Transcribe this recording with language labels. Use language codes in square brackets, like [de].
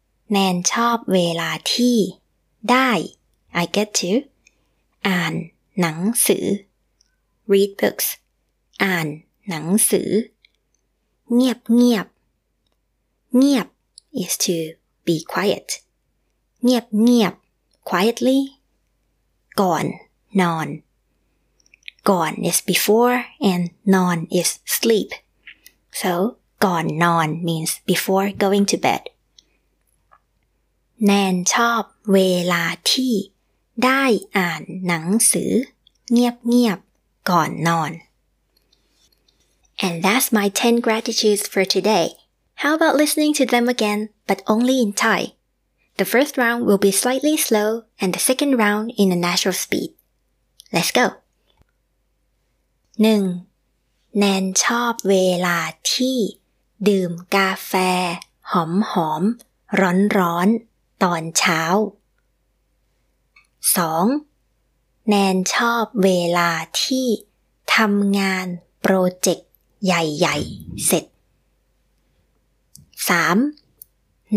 [th] แนนชอบเวลาที่ได้ [en] I get to [th] อ่านหนังสือ [en] read books [th] อ่านหนังสือเงียบเงียบเงียบ [en] is to be quiet. [th] เงียบเงียบ [en] quietly ก่อนนอน ก่อน is before and non is sleep so ก่อนนอน means before going to bed [th] แนนชอบเวลาที่ได้อ่านหนังสือเงียบเงียบก่อนนอน [en] and that's my 10 gratitudes for today how about listening to them again but only in ThaiThe first round will be slightly slow, and the second round in a natural speed. Let's go! 1. [th] แนนชอบเวลาที่ดื่มกาแฟหอมๆร้อนๆตอนเช้า 2. แนนชอบเวลาที่ทำงานโปรเจกต์ใหญ่ๆเสร็จ 3.